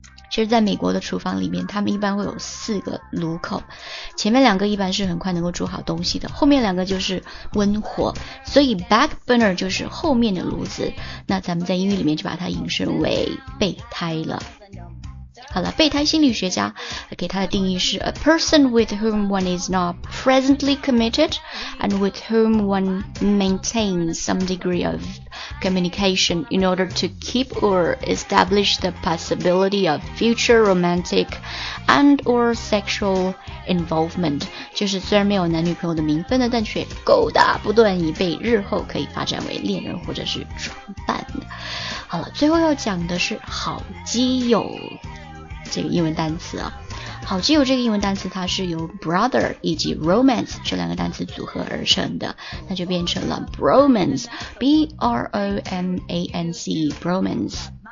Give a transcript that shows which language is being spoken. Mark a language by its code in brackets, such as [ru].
[zh] 其实在美国的厨房里面，他们一般会有四个炉口，前面两个一般是很快能够煮好东西的，后面两个就是温火，所以 back burner 就是后面的炉子。那咱们在英语里面就把它引申为备胎了。好了，备胎心理学家给他的定义是 [en] a person with whom one is not presently committed and with whom one maintains some degree of communication in order to keep or establish the possibility of future romantic and or sexual involvement， [zh] 就是虽然没有男女朋友的名分呢，但却勾搭不断以备日后可以发展为恋人或者是床伴。好了，最后要讲的是好基友这个英文单词啊，好基友这个英文单词它是由 brother 以及 romance 这两个单词组合而成的，那就变成了 bromance b-r-o-m-a-n-c bromance。